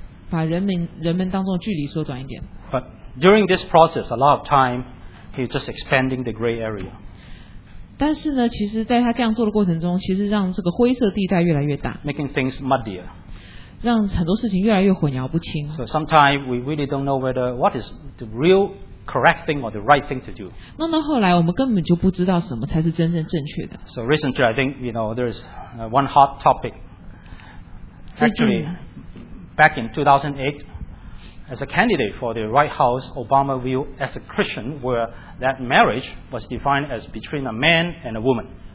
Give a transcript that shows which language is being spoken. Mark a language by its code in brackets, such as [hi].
[zh] 把人们当中距离缩短一点。 [en] But during this process, a lot of time, he's just expanding the gray area. [zh] 但是呢，其实在他这样做的过程中，其实让这个灰色地带越来越大， [en] making things muddier， [zh] 让很多事情越来越混淆不清。 [en] So sometimes we really don't know whether what is the real correct thing or the right thing to do. [zh] 那到后来，我们根本就不知道什么才是真正正确的。 [en] So recently, I think you know there is one hot topic. Actually, back in 2008, as a candidate for the White House, Obama view as a Christian were that marriage was defined as between a man and a woman.